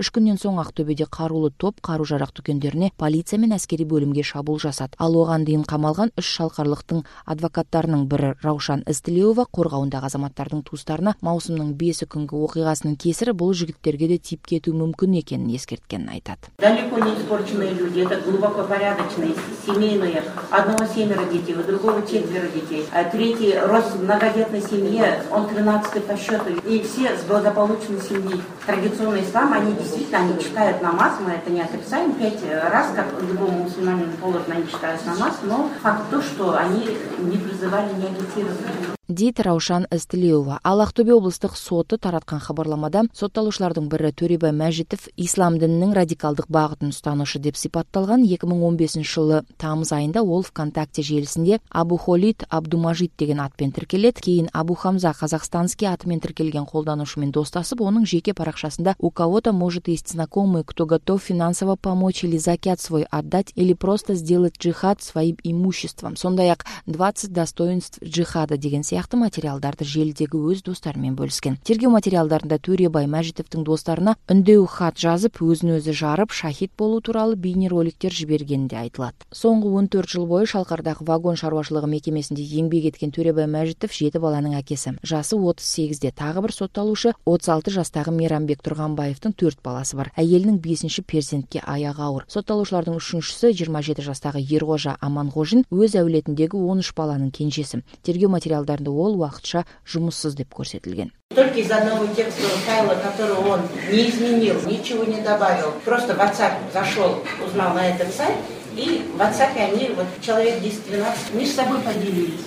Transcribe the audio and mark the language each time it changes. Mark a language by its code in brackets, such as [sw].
[kk] 3 күннен соң Ақтөбеде қарулы топ қару-жарақ дүкендеріне полиция мен әскери бөлімге шабуыл жасады. Ал оған дейін қамалған 3 шалқарлықтың адвокаттарының бірі Раушан Істілеуова қорғауындағы азаматтардың туыстарына маусымның 5-ші күнгі оқиғасының кесірі бұл жігіттерге де тиіп кетуі мүмкін екенін ескерткенін айтады. [ru] Далеко не испорченные люди, это глубоко порядочные семейные. Одного семеро детей, у другого четверо детей. А третий рос в многодетной семье, он 13-й по счету. И все с благополучной семьи. Традиционный ислам, они действительно, они читают намаз, мы это не отрицаем. 5 раз, как любому мусульманину положено, они читают намаз. Но факт то, что они не призывали, не агитировали. [kk] Дейді Раушан Істілеуова. Ал Ақтөбе облыстық соты таратқан хабарламада сотталушылардың бірі Төребай Мәжітов ислам дінінің радикалдық бағытын ұстанушы деп сипатталған. 2015 жылы тамыз айында ол ВКонтакте желісінде Абу Холид Абдумажид деген атпен тіркеледі. Кейін Абу Хамза Қазақстанский атымен тіркелген қолданушымен достасып, оның жеке парақшасында [ru] у кого-то может есть знакомый, кто готов финансово помочь или закят свой отдать или просто сделать джихад своим имуществом. [kk] Сондай-ақ 20 [ru] достоинств джихада [kk] деген сияқты материалдарды желідегі өз достарымен бөліскен. Тергеу материалдарында Төребай Мәжітовтің достарына үндеу хат жазып, өзін-өзі жарып, шахид болу туралы бейнероликтер жібергені де айтылады. Соңғы 14 жыл бойы Шалқардағы вагон шаруашылығы мекемесінде еңбек еткен Төребай Мәжітов 7 баланың әкесі. Жасы 38-де, тағы бір сотталушы 36 жастағы Мейрамбек Тұрғанбаевтың 4 баласы бар. Әйелінің 5-ші перзентке аяғы ауыр. Сотталушылардың 3-шісі 27 жастағы Ерғожа Аманғожин өз әулетіндегі 13 баланың кенжесі. Тергеу материалдарында ол уақытша жұмыссыз деп көрсетілген. [ru] Только из одного текстового файла, который он не изменил, ничего не добавил, просто в WhatsApp зашел, узнал на этом сайте. И в WhatsApp они, вот человек 10-12, между собой поделились.